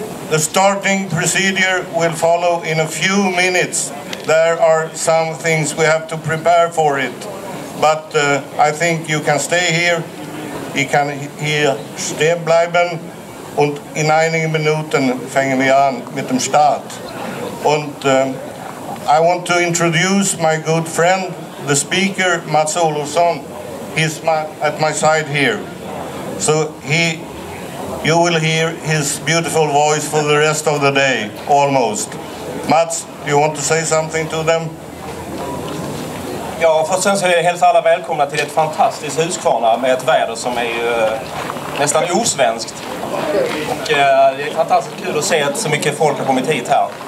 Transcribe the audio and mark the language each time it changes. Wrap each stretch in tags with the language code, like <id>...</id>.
<en>The starting procedure will follow in a few minutes. There are some things we have to prepare for it. But I think you can stay here.</en> <de>I kan hier stehen bleiben und in einigen Minuten fangen wir an mit dem Start. Und</de> <en>I want to introduce my good friend, the speaker Mats Olofsson. He's at my side here. So he You will hear his beautiful voice for the rest of the day, almost. Mats, do you want to say something to them?</en> <sv>Ja, först sen så hälsa alla välkomna till ett fantastiskt Huskvarna med ett väder som är ju nästan osvenskt. Och det är fantastiskt kul att se att så mycket folk har kommit hit här.</sv>